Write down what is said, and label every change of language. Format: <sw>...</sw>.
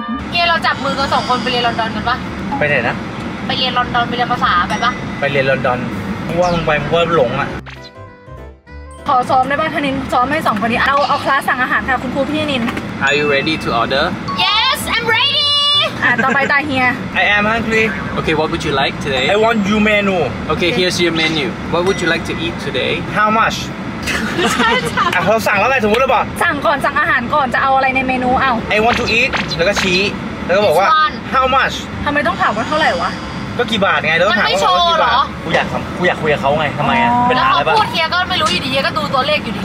<th>เฮียเราจับมือกันสองคนไปเรียนลอนดอนกันปะ ไปไหนนะ ไปเรียนลอนดอนไปเรียนภาษาไปปะ ไปเรียนลอนดอนว่ามึงไปมึงว่าหลงอ่ะ ขอซ้อมได้ป่ะธนินซ้อมให้สองคนนี้เอาคลาสสั่งอาหารค่ะคุณครูพี่นิน</th> <en>Are you ready to order Yes I'm ready</en> <th>ต่อไปตาเฮีย</th> <en>I am hungry Okay what would you like today I want your menu Okay here's your menu What would you like to eat today How much</en> <th>ใช่ๆ เราสั่งแล้วไงสมมุติหรือเปล่า สั่งก่อนสั่งอาหารก่อนจะเอาอะไรในเมนูเอา</th> <en>I want to eat</en> <th>แล้วก็ชี้แล้วก็บอกว่า</th> <en>How much</en> <th>ทำไมต้องถามว่าเท่าไหร่วะ ก็กี่บาทไง แล้วถามว่ากี่บาท กูอยากคุยกับเขาไงทำไมอ่ะเป็นอะไรป่ะ พูดเฮียก็ไม่รู้อยู่ดีเฮียก็ดูตัวเลขอยู่ดี</th>